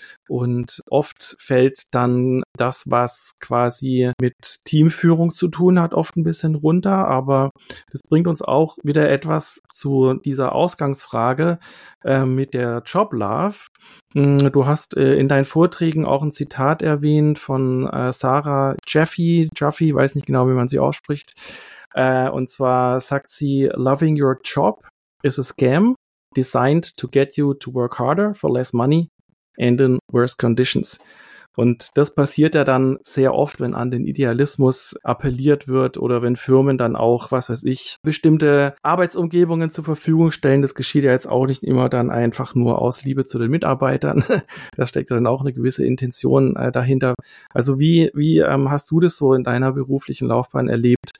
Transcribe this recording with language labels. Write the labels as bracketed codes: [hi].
[de] Und oft fällt dann das, was quasi mit Teamführung zu tun hat, oft ein bisschen runter. Aber das bringt uns auch wieder etwas zu dieser Ausgangsfrage mit der Job-Love. Du hast in deinen Vorträgen auch ein Zitat erwähnt von Sarah Jaffe, weiß nicht genau, wie man sie ausspricht. Und zwar sagt sie, [en] "Loving your job is a scam designed to get you to work harder for less money and in worse conditions." [de] Und das passiert ja dann sehr oft, wenn an den Idealismus appelliert wird oder wenn Firmen dann auch, was weiß ich, bestimmte Arbeitsumgebungen zur Verfügung stellen. Das geschieht ja jetzt auch nicht immer dann einfach nur aus Liebe zu den Mitarbeitern. Da steckt dann auch eine gewisse Intention dahinter. Also wie hast du das so in deiner beruflichen Laufbahn erlebt?